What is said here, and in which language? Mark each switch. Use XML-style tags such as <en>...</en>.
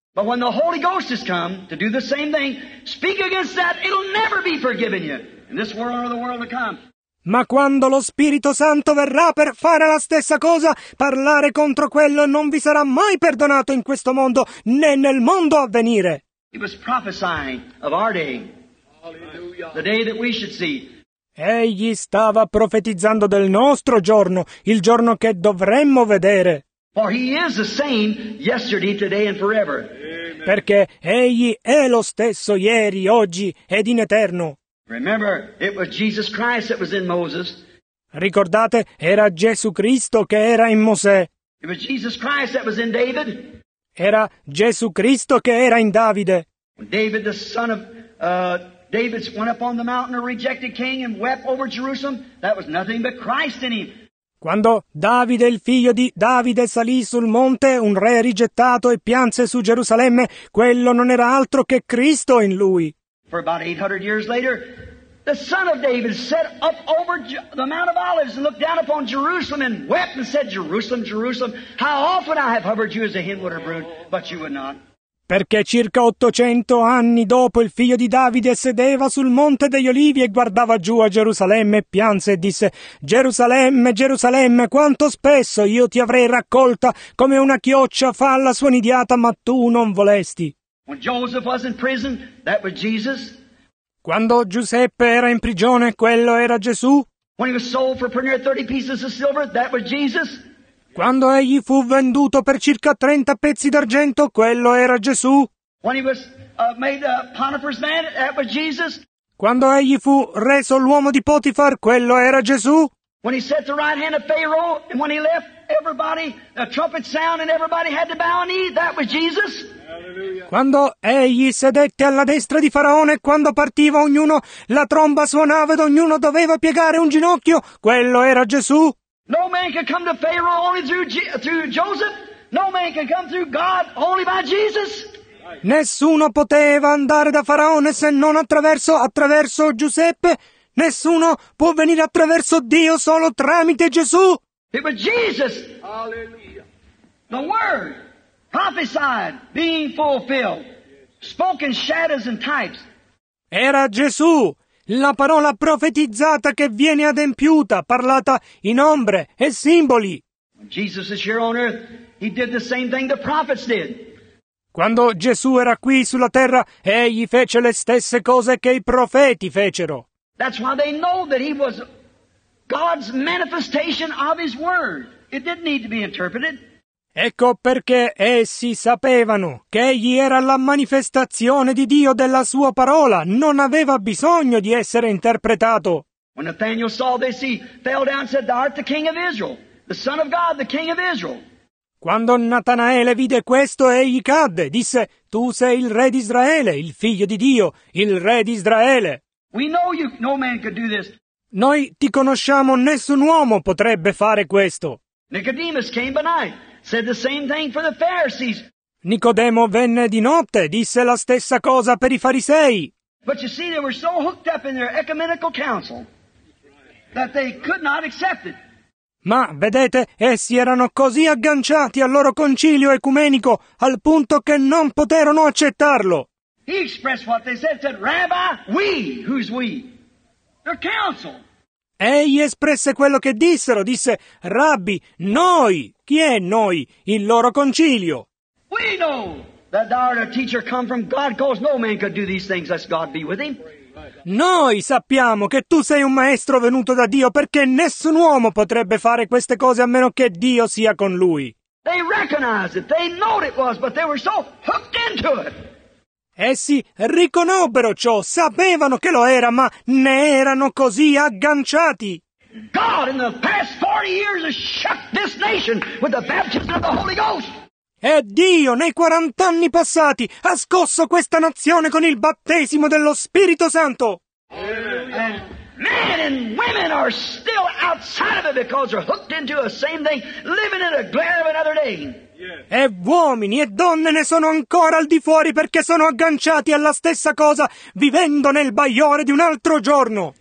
<en>But when the Holy Ghost has come to do the same thing, speak against that, it'll never be forgiven you in this world or the world to come.</en> <it>Ma quando lo Spirito Santo verrà per fare la stessa cosa, parlare contro quello non vi sarà mai perdonato in questo mondo né nel mondo a venire.</it> <en>He was prophesying of our day, hallelujah, the day that we should see.</en> <it>Egli stava profetizzando del nostro giorno, il giorno che dovremmo vedere.</it> <en>For he is the same yesterday, today and forever.</en> <it>Perché egli è lo stesso ieri, oggi ed in eterno.</it> <en>Remember, it was Jesus Christ that was in Moses.</en> <it>Ricordate, era Gesù Cristo che era in Mosè.</it> <en>It was Jesus Christ that was in David.</en> <it>Era Gesù Cristo che era in Davide.</it> <en>When David, the son of David, went up on the mountain, a rejected king, and wept over Jerusalem, that was nothing but Christ in him.</en> <it>Quando Davide, il figlio di Davide, salì sul monte, un re rigettato, e pianse su Gerusalemme, quello non era altro che Cristo in lui.</it> <en>For about 800 years later, the son of David sat up over the Mount of Olives and looked down upon Jerusalem and wept and said, Jerusalem, Jerusalem, how often I have hovered you as a hen with her brood, but you would not.</en> <it>Perché circa 800 anni dopo il figlio di Davide sedeva sul monte degli olivi e guardava giù a Gerusalemme e pianse e disse, Gerusalemme, Gerusalemme, quanto spesso io ti avrei raccolta come una chioccia fa alla sua nidiata, ma tu non volesti.</it> <en>When Joseph was in prison, that was Jesus.</en> <it>Quando Giuseppe era in prigione, quello era Gesù.</it> <en>When he was sold for near 30 pieces of silver, that was Jesus.</en> <it>Quando egli fu venduto per circa 30 pezzi d'argento, quello era Gesù.</it> <en>When he was made Potiphar's man, that was Jesus.</en> <it>Quando egli fu reso l'uomo di Potifar, quello era Gesù.</it> <en>When he sat the right hand of Pharaoh, and when he left, everybody, the trumpet sound, and everybody had to bow and knee, that was Jesus.</en> <it>Quando egli sedette alla destra di Faraone, quando partiva ognuno, la tromba suonava ed ognuno doveva piegare un ginocchio, quello era Gesù.</it> <en>No man can come to Pharaoh only through Joseph. No man can come through God only by Jesus.</en> <it>Nessuno poteva andare da Faraone se non attraverso Giuseppe. Nessuno può venire attraverso Dio solo tramite Gesù.</it> <en>It was Jesus. Hallelujah. The Word prophesied being fulfilled. Spoken shadows and types.</en> <it>Era Gesù. La parola profetizzata che viene adempiuta, parlata in ombre e simboli.</it> <en>Jesus is here on earth, he did the same thing the prophets did. Quando Gesù era qui sulla terra, egli fece le stesse cose che i profeti fecero. That's why they know that he was God's manifestation of his word. It didn't need to be interpreted.</en> <it>Ecco perché essi sapevano che egli era la manifestazione di Dio della sua parola. Non aveva bisogno di essere interpretato.</it> <en>When Nathanael saw this, he fell down and said, Thou art the king of Israel, the son of God, the king of Israel.</en> <it>Quando Natanaele vide questo, egli cadde. Disse, Tu sei il re di Israele, il figlio di Dio, il re di Israele.</it> <en>We know you, no man could do this.</en> <it>Noi ti conosciamo, nessun uomo potrebbe fare questo.</it> <en>Nicodemus came by night. Said the same thing for the Pharisees.</en> <it>Nicodemo venne di notte, disse la stessa cosa per i farisei.</it> <en>But you see, they were so hooked up in their ecumenical council that they could not accept it.</en> <it>Ma vedete, essi erano così agganciati al loro concilio ecumenico al punto che non poterono accettarlo.</it> <en>He expressed what they said. Said, Rabbi, we. Who's we? Their council.</en> <it>Egli espresse quello che dissero. Disse, Rabbi, noi. Chi è noi? Il loro concilio.</it> <en>We know that thou art a teacher come from God, cause no man could do these things lest God be with him.</en> <it>Noi sappiamo che tu sei un maestro venuto da Dio, perché nessun uomo potrebbe fare queste cose a meno che Dio sia con lui.</it> <en>They recognized it, they knew it was, but they were so hooked into it.</en> <it>Essi riconobbero ciò, sapevano che lo era, ma ne erano così agganciati.</it> <en>God in the past 40 years has shook this nation with the baptism of the Holy Ghost.</en> <it>E Dio nei 40 anni passati ha scosso questa nazione con il battesimo dello Spirito Santo.</it> <en>And men and women are still outside of it because they're hooked into the same thing, living in the glare of another day.</en> <it>E uomini e donne ne sono ancora al di fuori perché sono agganciati alla stessa cosa, vivendo nel bagliore di un altro giorno.</it>